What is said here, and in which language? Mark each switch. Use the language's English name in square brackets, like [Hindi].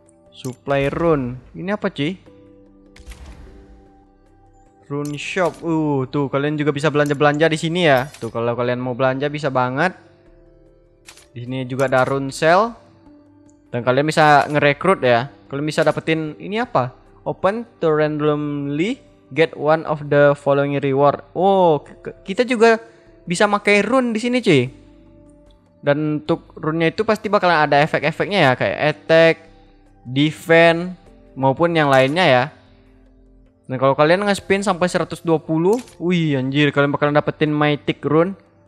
[Indonesian] Supply rune. Ini apa cuy? Rune shop. Tuh kalian juga bisa belanja-belanja di sini ya. Tuh kalau kalian mau belanja bisa banget. Di sini juga ada rune sale. Dan kalian bisa ngerekrut ya. Kalian bisa dapetin ini apa? [English] Open to randomly get one of the following reward. [Indonesian] Kita juga bisa pakai rune di sini, cuy. Dan untuk rune-nya itu pasti bakalan ada efek-efeknya ya, kayak attack, defense maupun yang lainnya ya. Dan kalau kalian nge-spin sampai 120, wih anjir, kalian bakalan dapetin mythic rune.